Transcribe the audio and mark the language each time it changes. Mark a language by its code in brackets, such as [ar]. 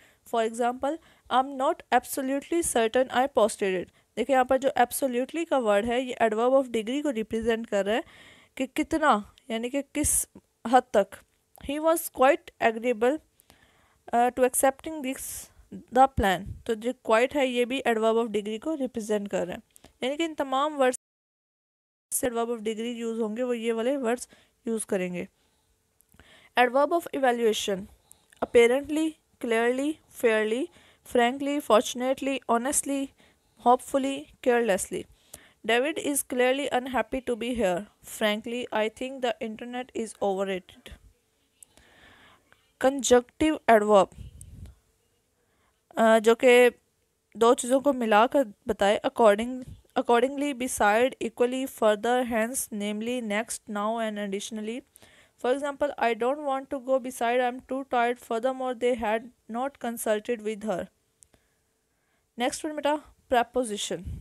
[en] For example, I'm not absolutely certain I posted it. [ur] دیکھیں یہاں پر جو absolutely کا ورڈ ہے یہ ایڈورب آف ڈگری کو ریپرزینٹ کر رہا ہے کہ کتنا، یعنی کہ کس حد تک. [en] He was quite agreeable to accepting this the plan. [ur] تو جو کوائٹ ہے یہ بھی ایڈورب آف ڈگری کو ریپرزینٹ کر رہا ہے، یعنی کہ ان تمام word adverb of degree use ہوں گے وہ یہ والے ورڈس یوز کریں گے. [en] Adverb of evaluation, apparently, clearly, fairly, frankly, fortunately, honestly, hopefully, carelessly. David is clearly unhappy to be here. Frankly, I think the internet is overrated. Conjunctive adverb, [ur] جو کہ دو چیزوں کو ملا کر بتائے، [en] Accordingly, beside, equally, further, hence, namely, next, now and additionally. For example, I don't want to go beside, I'm too tired, furthermore they had not consulted with her. Next one بیٹا preposition.